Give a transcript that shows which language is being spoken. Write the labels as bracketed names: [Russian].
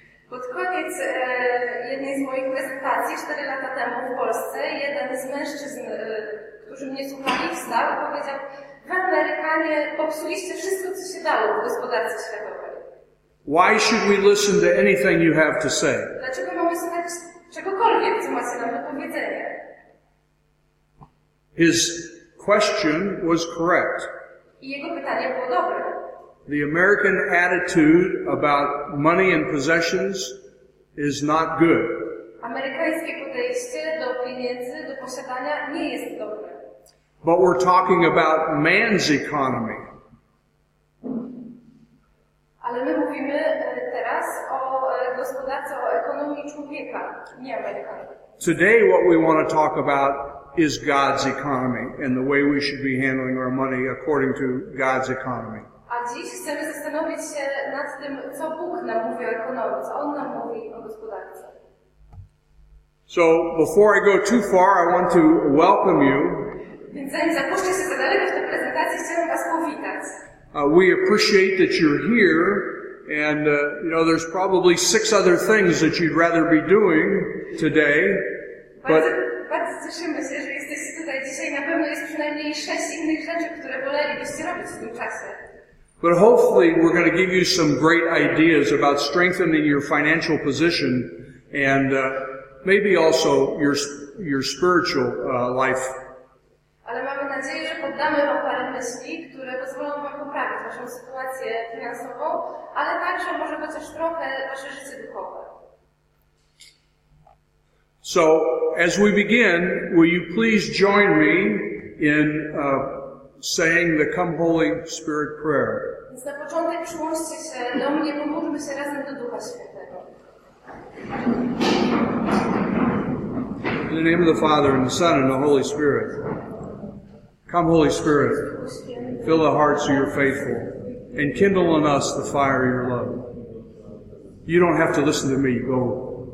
[Polish] Pod koniec jednej z moich prezentacji 4 lata temu w Polsce, jeden z mężczyzn, którzy mnie słuchali, wstał i powiedział, wy Amerykanie popsuliście wszystko, co się dało w gospodarce światowej. [English] Why should we listen to anything you have to say? [Polish] Dlaczego mamy słuchać czegokolwiek, co macie nam do powiedzenia? [English] His question was correct. [Polish] Jego pytanie było dobre. [English] The American attitude about money and possessions is not good. [Polish] Amerykańskie podejście do pieniędzy, do posiadania nie jest dobre. [English] But we're talking about man's economy. [Polish] Ale my mówimy teraz o gospodarce, o ekonomii człowieka, nie Amerykanów. [English] Today what we want to talk about is God's economy and the way we should be handling our money according to God's economy. [Polish] A dziś chcemy zastanowić się nad tym, co Bóg nam mówi o ekonomii, co On nam mówi o gospodarce. [English] So, before I go too far, I want to welcome you. [Polish] Więc zanim zapuszczę się za daleko w tej prezentacji, chciałbym Was powitać. [English] We appreciate that you're here, and you know there's probably six other things that you'd rather be doing today. But [Polish] bardzo cieszymy się, że jesteście tutaj dzisiaj. Na pewno jest przynajmniej sześć innych rzeczy, które wolelibyście robić w tym czasie. [English] But hopefully we're going to give you some great ideas about strengthening your financial position and maybe also your spiritual life. [Polish] Ale mamy nadzieję, że poddamy Wam parę myśli, które pozwolą Wam poprawić Waszą sytuację finansową, ale także może być też trochę Wasze życie duchowe. [English] So, as we begin, will you please join me in saying the Come Holy Spirit prayer. [Polish] Więc na początek przyłączcie się do mnie, pomódlmy się razem do Ducha Świętego. [English] In the name of the Father, and the Son, and the Holy Spirit. Come, Holy Spirit, fill the hearts of your faithful, and kindle in us the fire of your love. You don't have to listen to me, go.